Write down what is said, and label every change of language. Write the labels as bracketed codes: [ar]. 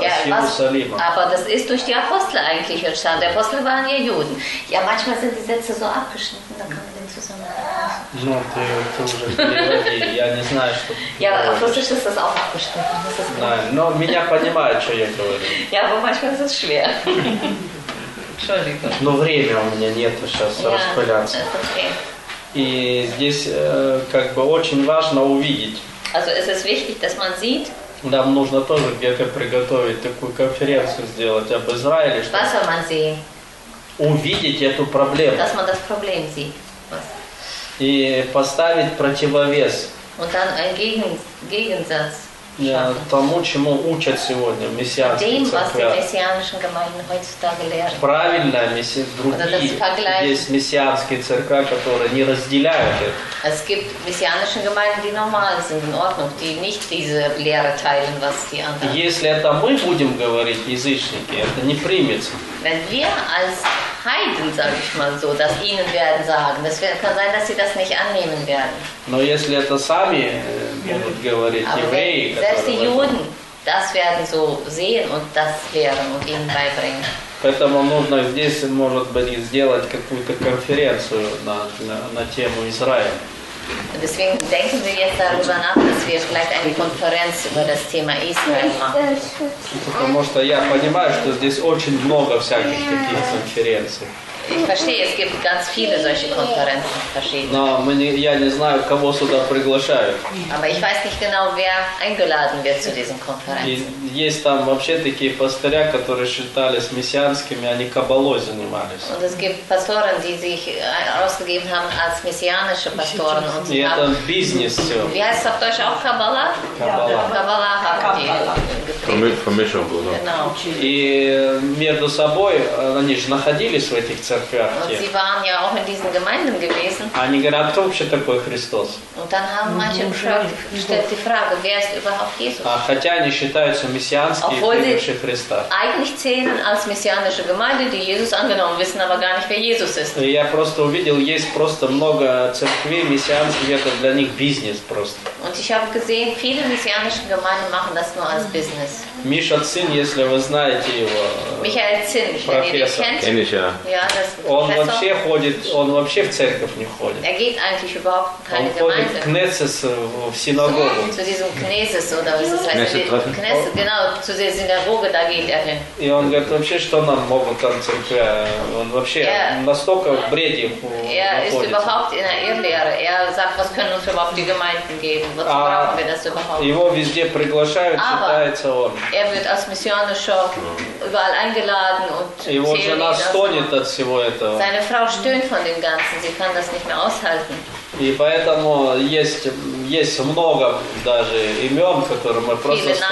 [de] Aber das ist durch die Apostel eigentlich entstanden. Die Apostel waren ja Juden. Ja, manchmal sind die Sätze so abgeschnitten, da kann man den zusammenfassen. Ja, auf Russisch ist das auch abgeschnitten. Nein, [ru] меня понимают, что я говорю. [de] Ja, aber manchmal ist es schwer. [ru] Но время у меня нет сейчас распыляться. И здесь как бы очень важно увидеть. [de] Also es ist wichtig, dass man sieht. [ru] Нам нужно тоже где-то приготовить такую конференцию сделать об Израиле, чтобы [de] man sieht. [ru] Увидеть эту проблему. [de] Dass man das Problem sieht. [ru] И поставить противовес. [de] Und dann einen Gegensatz. [ru] Тому, чему учат сегодня мессианские церкви. Правильно, другие есть мессианские церкви, которые не разделяют это. [de] Es gibt messianische Gemeinden, die normal sind, in Ordnung, die nicht diese Lehre teilen, was die anderen. [ru] Если это мы будем говорить, язычники, это не примется. [de] Wenn wir als Heiden, sage ich mal so, das ihnen werden sagen. Es kann sein, dass sie das nicht annehmen werden. Nur [ru] если это сами будут говорить евреи, [de] selbst die Juden, das werden so sehen und das lehren und ihnen beibringen. [ru] Поэтому нужно здесь, может быть, сделать какую-то конференцию на тему Израиль. [de] Deswegen denken wir jetzt darüber nach, dass wir vielleicht eine Konferenz über das Thema Israel machen. [ru] Потому что я понимаю, что здесь очень много всяких таких конференций. [de] Ich verstehe, es gibt ganz viele solche Konferenzen, verschiedene. [ru] Но я не знаю, кого сюда приглашают. [de] Aber ich weiß nicht genau, wer eingeladen wird zu diesen Konferenzen. [ru] И есть там вообще такие пастыря, которые считались мессианскими, они каббалой занимались. [de] Und es gibt Pastoren, die sich ausgegeben haben als messianische Pastoren. [ru] И это бизнес все. [de] Wie heißt es auf Deutsch auch Kabbala? Kabbala. Vermischung, oder? Genau. [ru] И между собой они же находились в этих церквях. [de] Und sie waren ja auch in diesen Gemeinden gewesen. [ru] Они говорят, кто вообще такой Христос? [de] Und dann haben manche gestellt die Frage, wer ist überhaupt Jesus? [ru] Хотя они считаются мессианские приемыши Христа. [de] Eigentlich zählen als messianische Gemeinde, die Jesus angenommen, wissen aber gar nicht, wer Jesus ist. [ru] Я просто увидел, есть просто много церквей мессианских, это для них бизнес просто. [de] Und ich habe gesehen, viele messianische Gemeinden machen das nur als Business. [ru] Миша Цин, если вы знаете его, Михаил Цин, профессор, [de] kenn ich, ja. Ja, [ru] он вообще ходит, он вообще в церковь не ходит. [de] Er geht eigentlich überhaupt keine [ru] он [de] Gemeinde. [ru] Ходит к Кнессес в синагогу. [de] Zu diesem Kneses, oder was ist das? Kneses, genau, zu der Synagoge, da geht er hin. [ru] И он говорит, вообще, что нам могут там церкви? Он вообще настолько в бреде [de] er находится. Ist überhaupt in der Irrlehre. Er sagt, was können uns überhaupt die Gemeinden geben? Wozu brauchen wir das überhaupt? [ru] Его везде приглашают, считается он. [de] Er wird als Missionarischer überall eingeladen und stöhnt [ru] от всего этого. [de] Seine Frau stöhnt von dem Ganzen, sie kann das nicht mehr aushalten. [ru] И поэтому есть много даже имен, которые мы просто